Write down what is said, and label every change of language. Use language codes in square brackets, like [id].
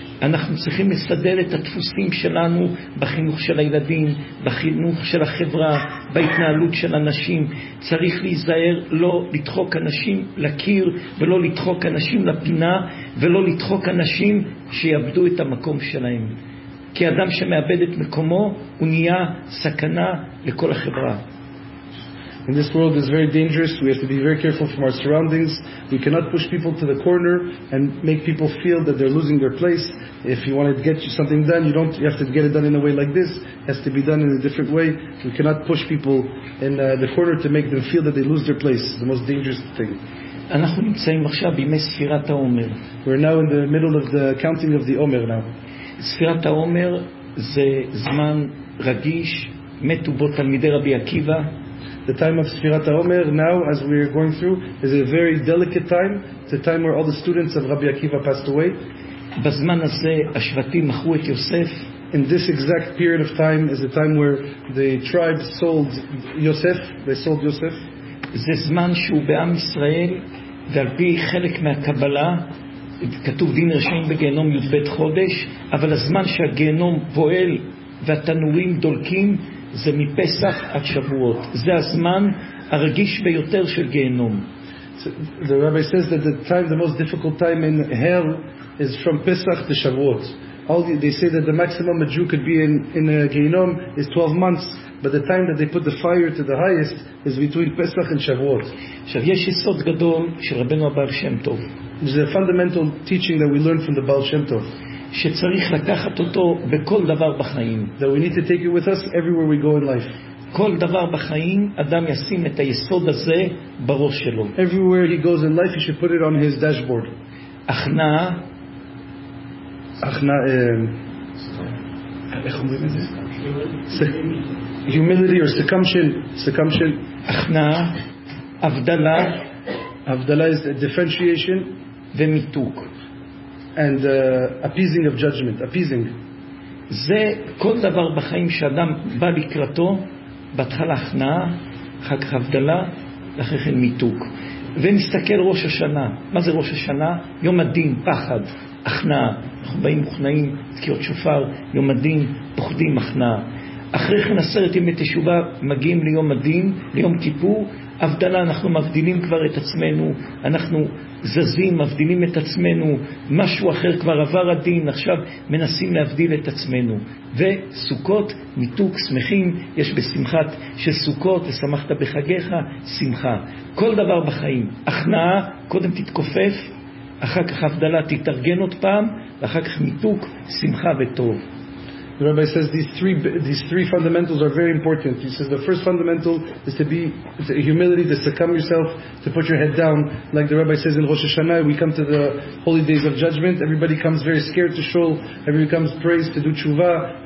[he] אנחנו צריכים לסדר את הדפוסים שלנו בחינוך של הילדים, בחינוך של החברה, בהתנהלות של אנשים. צריך להיזהר לא לדחוק אנשים לקיר, ולא לדחוק אנשים לפינה, ולא לדחוק אנשים שיאבדו את המקום שלהם. כי אדם שמאבד את מקומו, הוא נהיה סכנה לכל החברה. [en] In this world is very dangerous. We have to be very careful from our surroundings. We cannot push people to the corner and make people feel that they're losing their place. If you want to get something done, you have to get it done in a way like this. It has to be done in a different way. We cannot push people in the corner to make them feel that they lose their place. The most dangerous thing. [he] אנחנו נמצאים עכשיו בימי ספירת העומר. [en] We're now in the middle of the counting of the Omer now. [he] ספירת העומר זה זמן רגיש, מתו בו תלמידי רבי עקיבא. [en] The time of Sfirat HaOmer, now as we are going through, is a very delicate time. It's a time where all the students of Rabbi Akiva passed away. [he] בזמן הזה השבטים מכרו את יוסף. [en] In this exact period of time is the time where the tribe sold Yosef. They sold Yosef. [he] זה זמן שהוא בעם ישראל, ועל פי חלק מהקבלה, כתוב דין רשעים בגיהנום י' ב' חודש, אבל הזמן שהגיהנום פועל והתנורים דולקים, זה מפסח עד שבועות. זה הזמן הרגיש ביותר של גיהנום. [en] The rabbi says that the most difficult time in hell is from Pesach to Shavuot. They say that the maximum a Jew could be in a Gehinnom is 12 months, but the time that they put the fire to the highest is between Pesach and Shavuot. [he] עכשיו, יש יסוד גדול של רבנו הבעל שם טוב. [en] There's a fundamental teaching that we learn from the Baal Shem Tov. [he] שצריך לקחת אותו בכל דבר בחיים. [en] That we need to take it with us everywhere we go in life. [he] כל דבר בחיים, אדם ישים את היסוד הזה בראש שלו. [en] Everywhere he goes in life, he should put it on his dashboard. [he] הכנעה. הכנעה, איך אומרים את זה? [en] Humility or succumption. Succumption. [he] הכנעה. הבדלה. [en] הבדלה is differentiation. [he] ומיתוק. [en] And appeasing of judgment, appeasing. [he] זה כל דבר בחיים שאדם בא לקראתו, בהתחלה הכנעה, אחר כך הבדלה, אחר כך מיתוק. ומסתכל ראש השנה. מה זה ראש השנה? יום הדין, פחד, הכנעה. אנחנו באים מוכנעים, תקיעות שופר, יום הדין, פוחדים, הכנעה. אחרי כן עשרת ימי תשובה, מגיעים ליום הדין, ליום כיפור, הבדלה, אנחנו מבדילים כבר את עצמנו, אנחנו זזים, מבדילים את עצמנו, משהו אחר כבר עבר הדין, עכשיו מנסים להבדיל את עצמנו. וסוכות, מיתוק, שמחים, יש בשמחת של סוכות, ושמחת בחגיך, שמחה. כל דבר בחיים, הכנעה, קודם תתכופף, אחר כך הבדלה תתארגן עוד פעם, ואחר כך מיתוק, שמחה וטוב. [en] The rabbi says these three fundamentals are very important. He says the first fundamental is to be humility, to succumb yourself, to put your head down. Like the rabbi says in Rosh Hashanah, we come to the holy days of judgment. Everybody comes very scared to shul. Everybody comes praised to do tshuva.